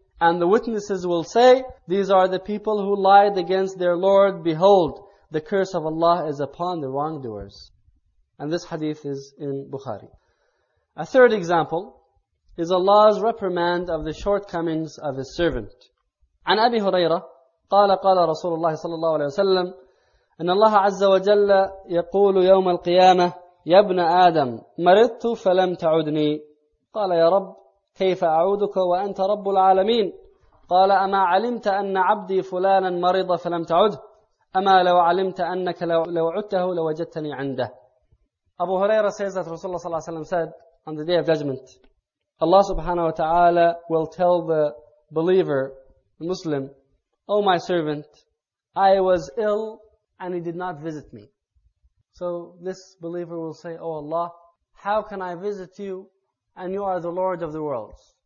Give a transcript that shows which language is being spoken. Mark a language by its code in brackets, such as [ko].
[en] And the witnesses will say, these are the people who lied against their Lord. Behold, the curse of Allah is upon the wrongdoers. And this hadith is in Bukhari. A third example is Allah's reprimand of the shortcomings of His servant. [ar] عن أبي هريرة قال قال رسول الله صلى الله عليه وسلم إن الله عز وجل يقول يوم القيامة يا ابن آدم مرضت فلم تعدني قال يا رب كيف أعودك وأنت رب العالمين قال أما علمت أن عبدي فلانا مرض فلم تعد أما لو علمت أنك لو عدته لوجدتني عنده. [en] Abu Huraira says that Rasulullah sallallahu alayhi wa sallam said, on the day of judgment, Allah subhanahu wa ta'ala will tell the believer, the Muslim, oh my servant, I was ill and he did not visit me. So this believer will say, oh Allah, how can I visit you and you are the Lord of the worlds?